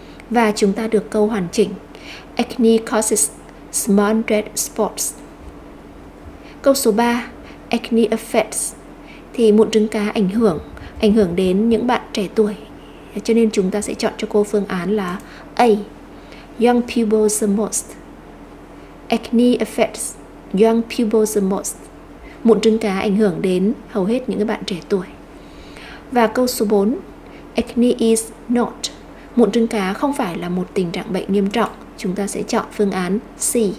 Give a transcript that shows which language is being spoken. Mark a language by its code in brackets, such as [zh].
[vi] Và chúng ta được câu hoàn chỉnh: [en] acne causes small red spots. [vi] Câu số 3, [en] acne affects, [vi] thì mụn trứng cá ảnh hưởng đến những bạn trẻ tuổi, cho nên chúng ta sẽ chọn cho cô phương án là A. [en] Young people the most, acne affects young people the most. [vi] Mụn trứng cá ảnh hưởng đến hầu hết những bạn trẻ tuổi. Và câu số 4, [en] acne is not, [vi] mụn trứng cá không phải là một tình trạng bệnh nghiêm trọng. Chúng ta sẽ chọn phương án C.